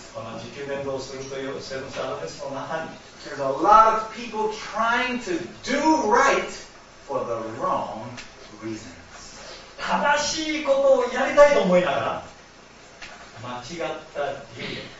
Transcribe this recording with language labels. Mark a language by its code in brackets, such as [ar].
[ja] この自給伝道するというセブンスアドベントの中に、 [en] there's a lot of people trying to do right for the wrong reasons. [ja] 正しいことをやりたいと思いながら、間違った理由。